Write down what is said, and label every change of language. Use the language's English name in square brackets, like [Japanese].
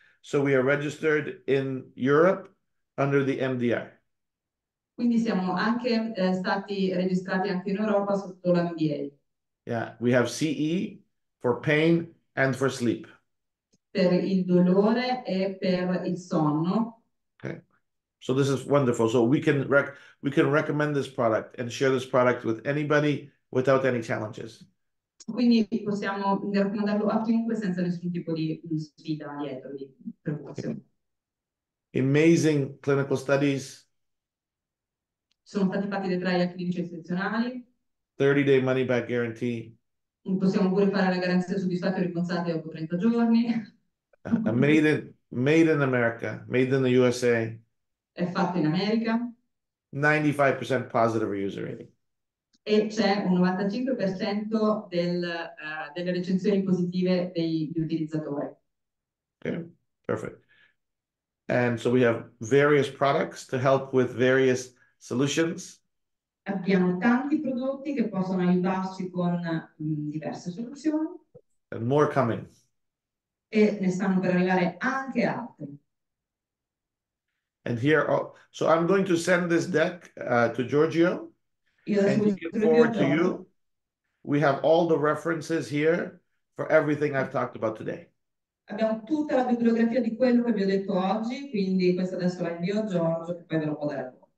[English] So we are registered in Europe under the MDR. [Italian] Quindi siamo anche stati registrati anche in Europa sotto la MDA. [English] Yeah, we have CE for pain and for sleep. [Italian] Per il dolore e per il sonno. [English] Okay, so this is wonderful. So we can recommend this product and share this product with anybody without any challenges. [Italian] Quindi possiamo raccomandarlo a chiunque senza nessun tipo di sfida dietro di preoccupazione. [English] Amazing clinical studies. [Italian] Sono stati fatti dei trial clinici eccezionali. [English] 30-day money back guarantee. [Italian] Possiamo pure fare la garanzia soddisfatti o rimborsati dopo 30 giorni. [English] Made in America, made in the USA. [Italian] È fatto in America. [English] 95% positive user rating. [Italian] E c'è un 95% delle recensioni positive degli utilizzatori. [English] Okay, perfect. And so we have various products to help with various solutions. [Italian] Abbiamo tanti prodotti che possono aiutarci con diverse soluzioni. [English] And more coming. [Italian] E ne stanno per arrivare anche altri. [English] And here, oh, so I'm going to send this deck to Giorgio. [Italian] Io [English] and [Italian] sono [English] looking forward to you. We have all the references here for everything I've talked about today. [Italian] Abbiamo tutta la bibliografia di quello che vi ho detto oggi, quindi questo adesso la invio a Giorgio che poi ve lo poterò.